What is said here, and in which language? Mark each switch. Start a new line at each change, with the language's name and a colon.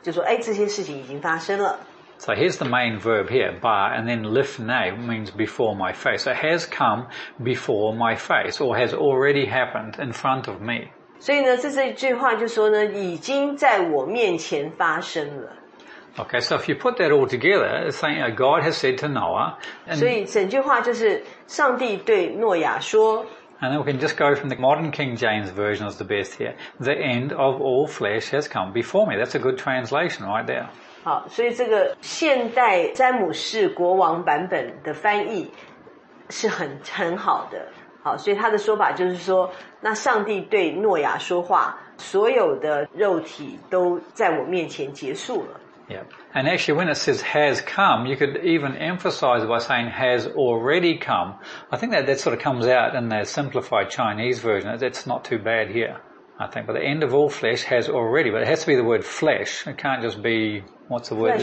Chinese: 而且呢，接下来这个字呢，就是用完成式的一个概念，就说哎，这些事情已经发生了。
English: So here's the main verb here, ba, and then lifnei means before my face. So it has come before my face, or has already happened in front of me.
Chinese: 所以呢，这句话就说呢，已经在我面前发生了。
English: Okay, so if you put that all together, it's saying God has said to Noah. And,
Chinese: 所以整句话就是上帝对诺亚说,
English: and then we can just go from the modern King James Version as the best here. The end of all flesh has come before me. That's a good translation right there.
Chinese: 好，所以这个现代詹姆士国王版本的翻译是很好的。好，所以他的说法就是说，那上帝对诺亚说话，所有的肉体都在我面前结束了。
English: Yeah. And actually when it says has come, you could even emphasize by saying has already come. I think that sort of comes out in the simplified Chinese version. That's not too bad here, I think. But the end of all flesh has already, but it has to be the word flesh. It can't just be, what's the word?